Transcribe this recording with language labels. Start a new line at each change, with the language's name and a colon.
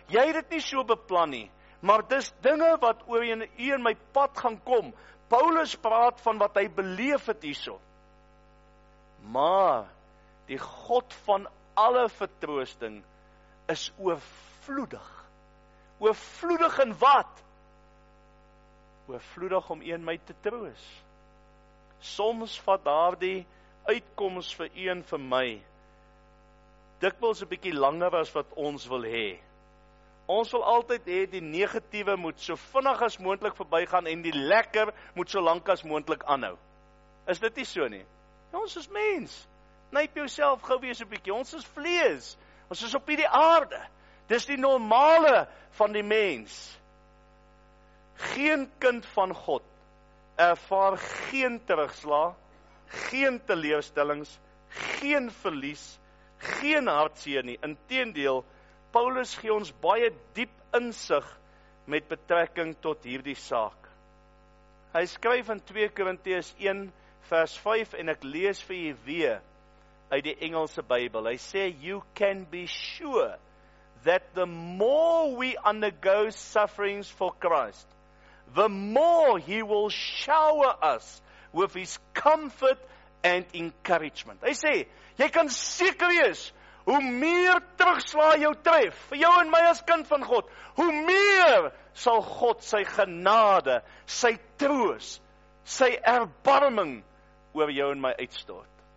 Afrikaans: Jy het dit nie so beplan nie, maar dis dinge wat oor in u en my pad gaan kom. Paulus praat van wat hy beleef het hierso. Maar die God van alle vertroosting is oorvloedig. Oorvloedig in wat? Oorvloedig om een my te troos. Soms vat daardie uitkoms vir een vir my dikwels 'n bietjie langer as wat ons wil hê. Ons wil altyd hê die negatiewe moet so vinnig as moontlik verbygaan en die lekker moet so lank as moontlik aanhou. Is dit nie so nie? Ons is mens. Knyp jouself gou weer so 'n bietjie. Ons is vlees. Ons is op hierdie aarde. Dis die normale van die mens. Geen kind van God ervaar geen terugslag, geen teleurstellings, geen verlies, geen hartseer nie. Inteendeel, Paulus gee ons baie diep insig met betrekking tot hierdie saak. Hy skryf in 2 Korintiërs 1 vers 5 en ek lees vir u weer uit die Engelse Bybel. Hy sê,
English: you can be sure that the more we undergo sufferings for Christ, the more he will shower us with his comfort and encouragement.
Afrikaans: Hy sê, jy kan seker wees, hoe meer terugslaa jou tref, vir jou en my as kind van God, hoe meer sal God sy genade, sy troos, sy erbarming oor jou en my uitstort.